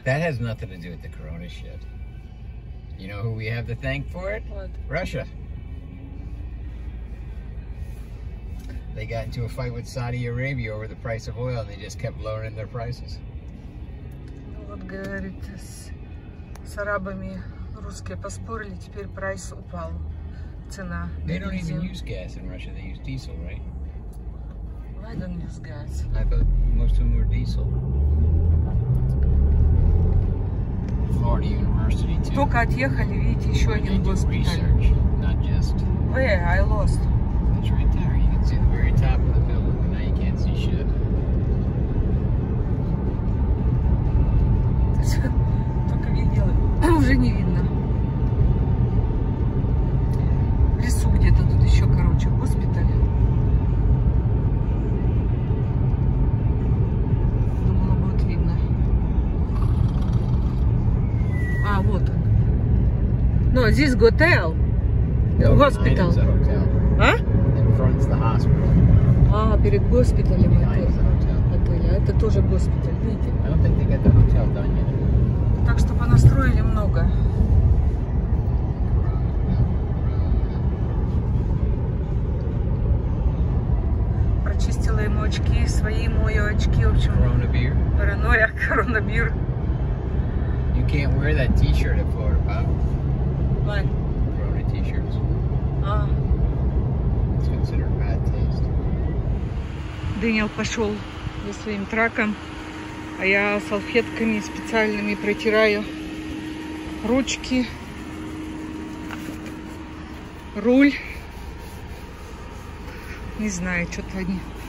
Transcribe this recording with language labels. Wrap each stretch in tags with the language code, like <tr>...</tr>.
<en>That has nothing to do with the Corona shit. You know who we have to thank for it? What? Russia. They got into a fight with Saudi Arabia over the price of oil, and they just kept lowering their prices.</en> <ru>Вот говорит с арабами. Русские поспорили, теперь прайс упал, цена.</ru> <en>They don't even use gas in Russia, they use diesel, right? Why don't use gas? I thought most of them were diesel. Florida University too.</en> <ru>Только отъехали, видите, еще один госпиталь.</ru> <en>Research, not just... Where? I lost. It's right there, you can see the very top of the building, but now you can't see shit.</en> <ru>Только видела. Уже не видно. В лесу где-то тут еще, короче, госпиталь. Думала, будет видно.</ru> <en>this hotel. No, hospital. Behind is the hotel. Huh? In front is the hospital.</en> <ru>Ah, перед госпиталем.</ru> <en>Behind is the hotel.</en> <ru>Отель. Это тоже госпиталь, видите?</ru> <en>I don't think they get the hotel done yet.</en> <ru>Так что понастроили много. Чистила ему очки, свои мою очки, в общем. Коронавир. Паранойя, коронавир.</ru> <en>You can't wear that t-shirt at Florida Power. Why? Corona t-shirts. Ah. It's considered bad taste.</en> <ru>Дэниел пошел за своим траком, а я салфетками специальными протираю ручки, руль. Не знаю, что-то они...</ru>